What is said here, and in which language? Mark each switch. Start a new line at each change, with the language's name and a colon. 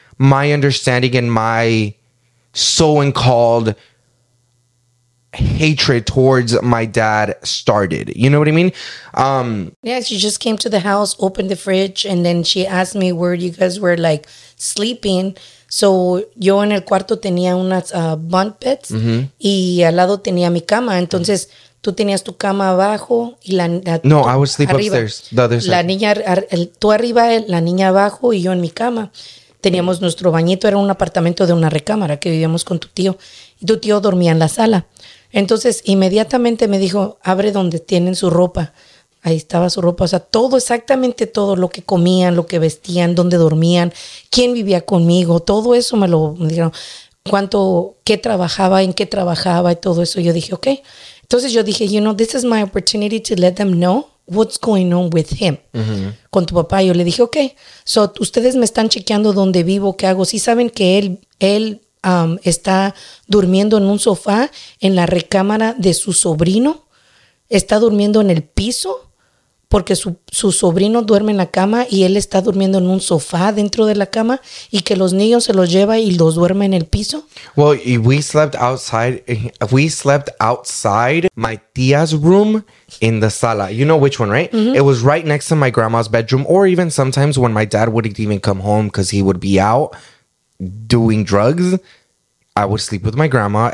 English: my understanding and my so-called hatred towards my dad started. You know what I mean? She just came to the house, opened the fridge, and then she asked me where you guys were, like, sleeping.
Spanish: So yo en el cuarto tenía unas
English: bunk beds,
Spanish: mm-hmm. y al lado tenía mi cama. Entonces, tú tenías tu cama abajo y la niña...
English: No, I would sleep arriba. Upstairs. The other side.
Spanish: La niña, tú arriba, la niña abajo y yo en mi cama. Teníamos nuestro bañito, era un apartamento de una recámara que vivíamos con tu tío. Y tu tío dormía en la sala. Entonces, inmediatamente me dijo, abre donde tienen su ropa. Ahí estaba su ropa. O sea, todo, exactamente todo, lo que comían, lo que vestían, dónde dormían, quién vivía conmigo, todo eso me lo me dijeron. Cuánto, qué trabajaba, en qué trabajaba y todo eso. Yo dije, ok. Entonces yo dije,
English: you know, this is my opportunity to let them know what's going on with him.
Spanish: Mm-hmm. Con tu papá. Yo le dije, ok, so ustedes me están chequeando dónde vivo, qué hago. Sí saben que él está durmiendo en un sofá en la recámara de su sobrino. Está durmiendo en el piso porque su sobrino duerme en la cama y él está durmiendo en un sofá dentro de la cama y que los niños se los lleva y los duerme en el piso.
English: Well, we slept outside my tía's room in the sala. You know which one, right? Mm-hmm. It was right next to my grandma's bedroom, or even sometimes when my dad wouldn't even come home because he would be out doing drugs, I would sleep with my grandma.